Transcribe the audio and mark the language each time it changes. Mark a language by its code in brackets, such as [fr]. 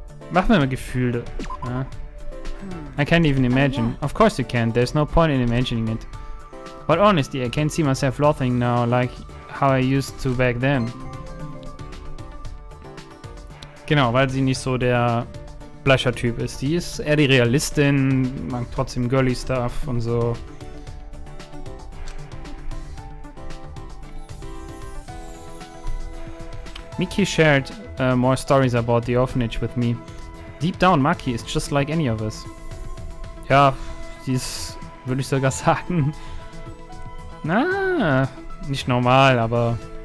[de] Machen wir mal Gefühle. [en] I can't even imagine. Of course you can. There's no point in imagining it. But honestly, I can't see myself laughing now like how I used to back then. [de] Genau, weil sie nicht so der Blusher-Typ ist. Sie ist eher die Realistin, mag trotzdem girly stuff und so. [en] Miki shared more stories about the orphanage with me. Deep down, Maki is just like any of us. [de] Ja, sie ist, würde ich sogar sagen, na, nicht normal, aber...